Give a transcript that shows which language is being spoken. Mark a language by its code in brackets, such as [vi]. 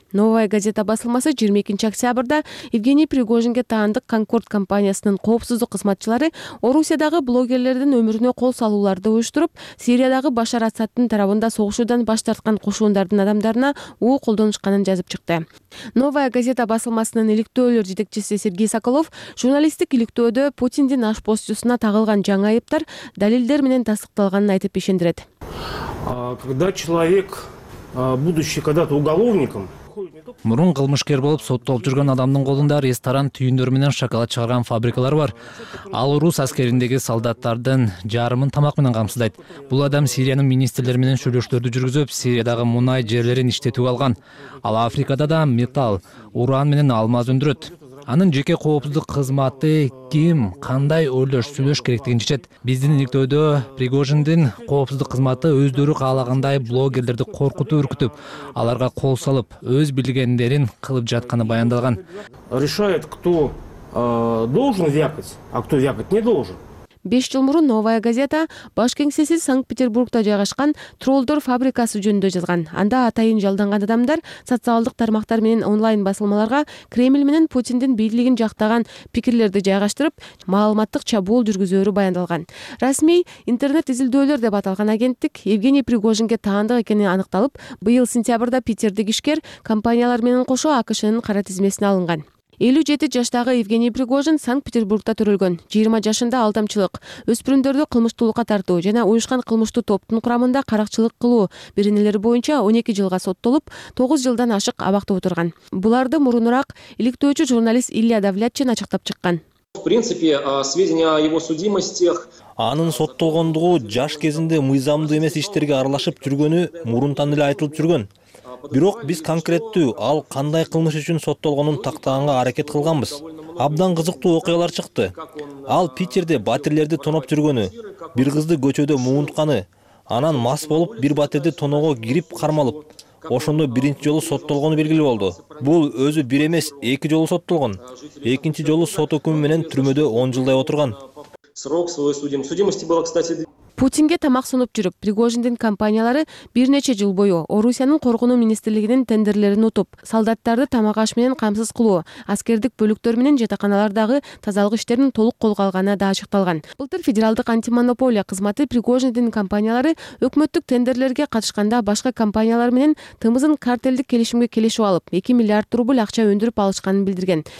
[ky] Новая газета басылмасы 22 октябрда Евгений Пригожинге таандык Конкорд компаниясынын коопсуздук кызматчылары Орусиядагы блогерлердин өмүрүнө кол салууларды уюштуруп, Сириядагы Башар Асадтын тарабында согушуудан баш тарткан кошуундардын адамдарына уу колдонушканын жазып чыкты. Новая газета басылмасынын иликтөөлөр жетекчиси Сергей Соколов журналисттик иликтөөдө Путиндин ашпозчусуна тагылган жаңы айыптар далилдер менен тастыкталганын айтып ишендирет. [ru] Когда человек, будучи когда-то уголовником, [ky] мурун кылмышкер болуп соттолуп жүргөн адамдын колунда ресторан түйүндөр менен шоколад чыгарган фабрикалар бар. Ал орус аскериндеги солдаттардын жарымын тамак менен камсыздайт. Бул адам Сириянын министрлери менен сүйлөшүүлөрдү жүргүзүп, Сириядагы мунай жерлерин иштетип алган. Ал Африкада да металл, уран менен алмаз өндүрөт. Анын жеке коопсуздук кызматы ким, кандай өлөш сүйлөш керектигин чечет. Биздин иликтөөдө Пригожиндин коопсуздук кызматы өздөрү каалагандай блогерлерди коркутуп үркүтүп, аларга кол салып, өз билгендерин кылып жатканы баяндалган. [ru] Решает, кто должен вякать, а кто вякать не должен. [ky] 5 жыл мурун Новая газета баш кеңсеси Санкт-Петербургда жайгашкан троллдор фабрикасы жөнүндө жазган. Анда атайын жалданган адамдар социалдык тармактар менен онлайн басылмаларга Кремль менен Путиндин бийлигин жактаган пикирлерди жайгаштырып, маалыматтык чабуул жүргүзүүрү баяндалган. Расмий интернет изилдөөлөр деп аталган агенттик Евгений Пригожинге таандык экени аныкталып, быйыл сентябрда Питердик ишкер компаниялар менен кошо АКШнын кара тизмесине алынган. 57 жаштагы Евгений Пригожин Санкт-Петербургда төрөлгөн. 20 жашында алдамчылык, өспүрүмдөрдү кылмыштуулукка тартуу жана уюшкан кылмыштуу топтун курамында каракчылык кылуу беренелери боюнча 12 жылга соттолуп, 9 жылдан ашык абакта отурган. Буларды мурунураак иликтөөчү журналист Илья Давлятчин ачыктап чыккан. [ru] В принципе, сведения о его судимостях. [ky] Анын соттолгондугу жаш кезинде мыйзамдуу эмес иштерге аралашып жүргөнү мурунтан эле айтылып жүргөн. Бирок биз конкреттүү ал кандай кылмыш үчүн соттолгонун тактаганга аракет кылганбыз. Абдан кызыктуу окуялар чыкты. Ал Питерде батирлерди тоноп жүргөнү, бир кызды көчөдө муунтканы, анан мас болуп бир батирди тоного кирип кармалып, ошондо биринчи жолу соттолгону белгилүү болду. Бул өзү бир эмес, эки жолу соттолгон. Экинчи жолу сот өкүмү менен түрмөдө 10 жылдай отурган. [ru] Срок свой судим. Судимости было, кстати, [ky] Путинге тамак сунуп жүрүп, Пригожиндин компаниялары бир нече жыл бою Орусиянын коргоонуу министрлигинин тендерлерин утуп, солдаттарды тамак аш менен камсыз кылуу, аскердик бөлүктөр менен жатаканалардагы тазалык иштерин толук колго алганы да ачыкталган. Былтыр федералдык антимонополия кызматы Пригожиндин компаниялары өкмөттүк тендерлерге катышканда башка компаниялар менен тымызын картелдик келишимге келишип алып, 2 миллиард рубль акча өндүрүп алышканын билдирген.